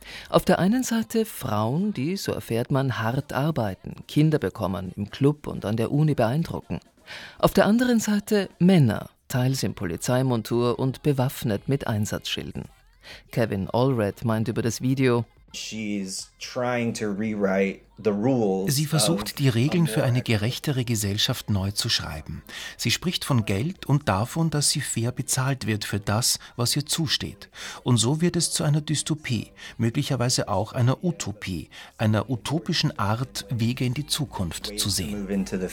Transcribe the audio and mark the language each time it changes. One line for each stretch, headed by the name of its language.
German: Auf der einen Seite Frauen, die, so erfährt man, hart arbeiten, Kinder bekommen, im Club und an der Uni beeindrucken. Auf der anderen Seite Männer, teils in Polizeimontur und bewaffnet mit Einsatzschilden. Kevin Allred meint über das Video:
English: She's trying to rewrite the rules.
German: Sie versucht, die Regeln für eine gerechtere Gesellschaft neu zu schreiben. Sie spricht von Geld und davon, dass sie fair bezahlt wird für das, was ihr zusteht. Und so wird es zu einer Dystopie, möglicherweise auch einer Utopie, einer utopischen Art, Wege in die Zukunft zu sehen.